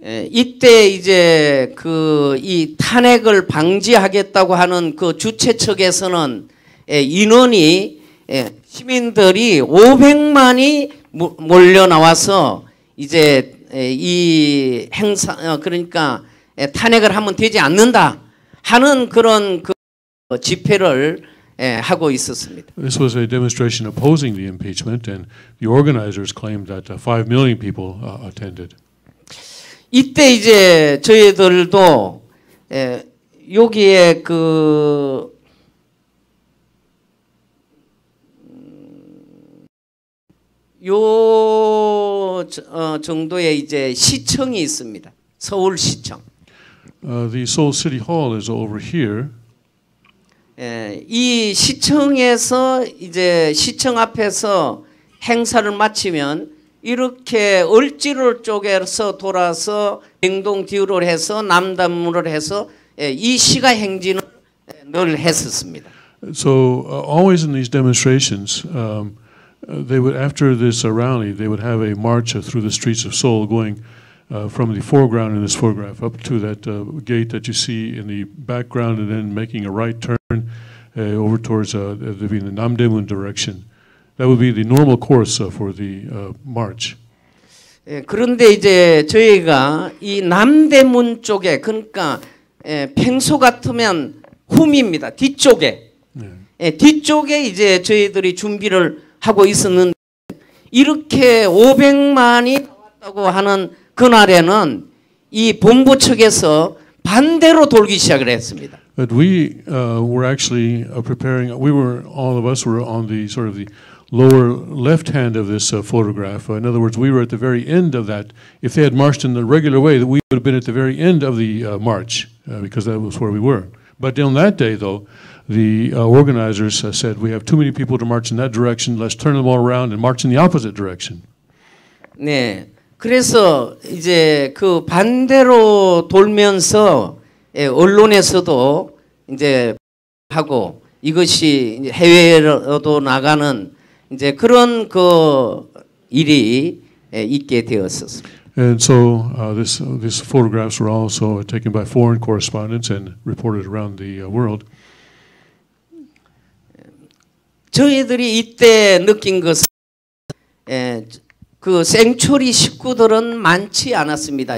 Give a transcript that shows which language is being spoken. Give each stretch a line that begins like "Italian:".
Korean: 이때 이제 그 이 탄핵을 방지하겠다고 하는 그 주최 측에서는 인원이 시민들이 500만이 몰려 나와서 이제 이 행사 그러니까 탄핵을 하면 되지 않는다 하는 그런 그 집회를 하고 있었습니다.
English: This was a demonstration opposing the impeachment, and the organizers claimed that 5 million people attended.
Korean: 이때 이제 저희들도 여기에 그 요 정도의 이제 시청이 있습니다. 서울 시청.
English: The Seoul City Hall is over here.
Korean: 이 시청에서 이제 시청 앞에서 행사를 마치면 이렇게 을지로 쪽에서 돌아서 행동 뒤로 해서 남단문을 해서 이 시가 행진을 늘 했었습니다.
English: So always in these demonstrations they would, after this rally, they would have a march through the streets of Seoul going from the foreground in this photograph up to that gate that you see in the background and then making a right turn over towards the Namdaemun direction. That would be the normal course for the march.
Korean: 그런데 이제 저희가 이 남대문 쪽에 그러니까 평소 같으면 홈입니다. 뒤쪽에. 뒤쪽에 이제 저희들이 준비를 하고 있었는데 이렇게 500만이 나왔다고 하는 그날에는 이 본부 측에서 반대로 돌기 시작을 했습니다.
English: But we were actually preparing, we were, all of us were on the sort of the lower left hand of this photograph. In other words, we were at the very end of that. If they had marched in the regular way, that we would have been at the very end of the march, because that was where we were. But on that day, though, the organizers said, we have too many people to march in that direction, let's turn them all around and march in the opposite direction.
Korean: 네, 그래서 이제 그 반대로 돌면서 예, 언론에서도 이제 하고 이것이 해외로도 나가는 이제 그런 그 일이 예, 있게 되었었습니다.
English: And so these photographs were also taken by foreign correspondents and reported around the world.
Korean: 저희들이 이때 느낀 것은 예, 그 생초리 식구들은 많지 않았습니다.